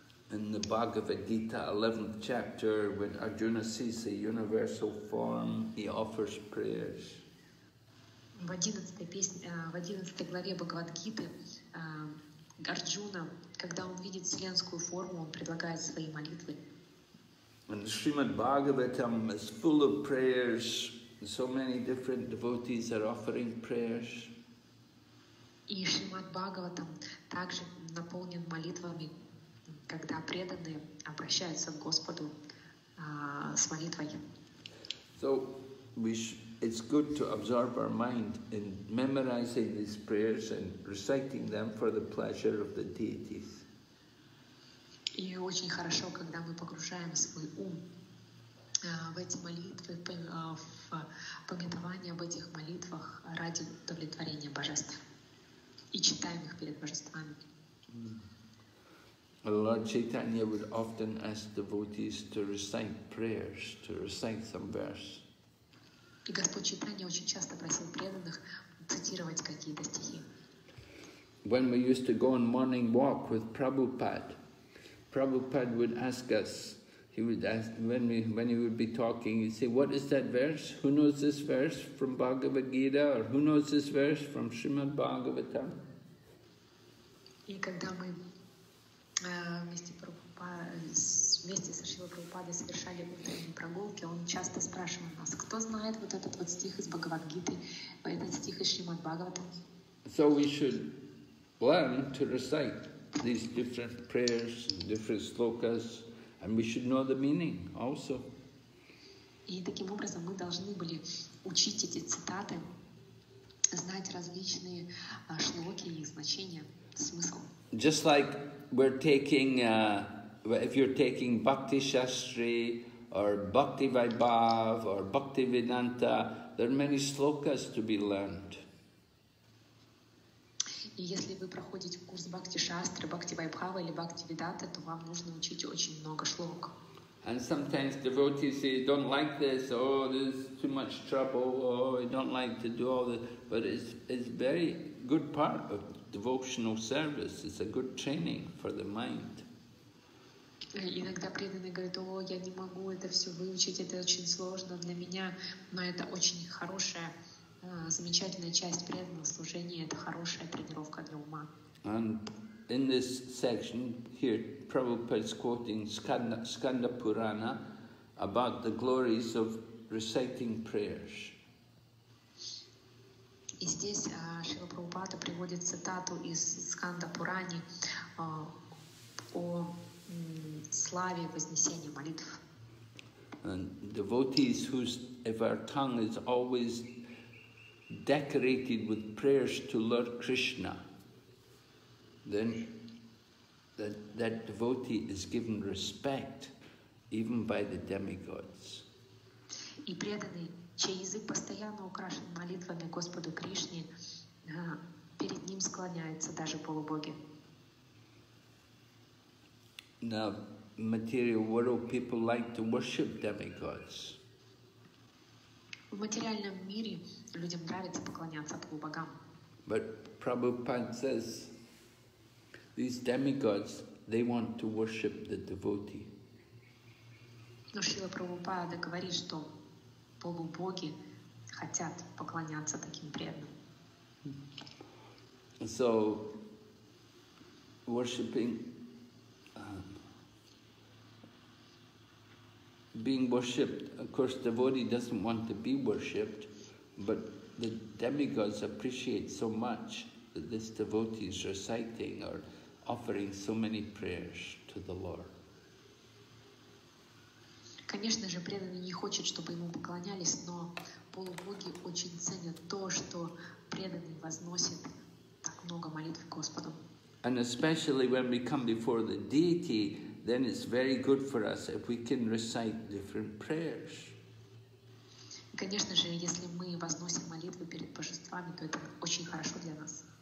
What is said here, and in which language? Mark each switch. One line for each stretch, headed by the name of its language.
English: In the Bhagavad Gita, 11th chapter, when Arjuna sees the universal form, he offers prayers.
Russian: В одиннадцатой главе Бхагавад-гиты Арджуна, когда он видит вселенскую форму, он предлагает свои молитвы.
English: And Srimad Bhagavatam is full of prayers. So many different devotees are offering prayers.
Russian: И Шримад Бхагаватам также наполнен молитвами, когда преданные обращаются к Господу с молитвой.
English: So it's good to absorb our mind in memorizing these prayers and reciting them for the pleasure of the deities.
Russian: И очень хорошо, когда мы погружаем свой ум в эти молитвы, в памятование об этих молитвах ради удовлетворения божеств. И читаем их перед божествами.
English: Lord Chaitanya would often ask devotees to recite prayers, to recite some verse.
Russian: И Господь Чайтанья очень часто просил преданных цитировать какие-то стихи.
English: When we used to go on morning walk with Prabhupada would ask us, he would ask, when he would be talking, he'd say, what is that verse? Who knows this verse from Bhagavad Gita? Or who knows this verse from Srimad Bhagavatam?
Russian: И когда мы вместе со Шрилой Прабхупадой совершали утренние прогулки, он часто спрашивал нас, кто знает вот этот вот стих из Бхагавад-гиты, этот стих из Шримад Бхагаватам.
English: So we should learn to recite these different prayers, different slokas, and we should know the meaning also.
Russian: И таким образом мы должны были учить эти цитаты, знать различные шлоки и их значения, смысл.
English: Just like we're taking if you're taking Bhakti Shastri or Bhakti Vaibhav or Bhakti Vedanta, there are many slokas to be learned.
Russian: И если вы проходите курс Бхакти Шастры, Бхакти Вайбхава или Бхакти Веданта, то вам нужно учить очень много шлок.
English: And sometimes devotees say, don't like this, oh, this is too much trouble, oh, I don't like to do all this. But it's very good part of devotional service. It's a good training for the mind.
Russian: Иногда преданные говорят, о, я не могу это все выучить, это очень сложно для меня, но это очень хорошая, замечательная часть преданного служения, это хорошая тренировка для ума.
English: And in this section here, Prabhupada is quoting Skanda Purana, about the glories of reciting prayers.
Russian: И здесь Шрила Прабхупада приводит цитату из Сканда Пурани о славе вознесения молитв.
English: And devotees whose, if our tongue is always decorated with prayers to Lord Krishna, then that devotee is given respect even by the demigods.
Russian: И преданный, чей язык постоянно украшен молитвами Господу Кришне, перед ним склоняются даже полубоги.
English: Now, material world people like to worship demigods.
Russian: В материальном мире людям нравится поклоняться полубогам.
English: But Prabhupada says, these demigods, they want to worship the devotee.
Russian: Но Шрила Прабхупада говорит, что полубоги хотят поклоняться таким преданным.
English: So, worshipping, being worshipped, of course, devotee doesn't want to be worshipped, but the demigods appreciate so much that this devotee is reciting or offering so many prayers to the Lord.
Russian: Конечно же, преданный не хочет, чтобы ему поклонялись, но полубоги очень ценят то, что преданный возносит так много молитв Господу.
English: And especially when we come before the deity, then it's very good for us if we can recite different prayers.
Russian: Конечно же, если мы возносим молитвы перед божествами, то это очень хорошо для нас.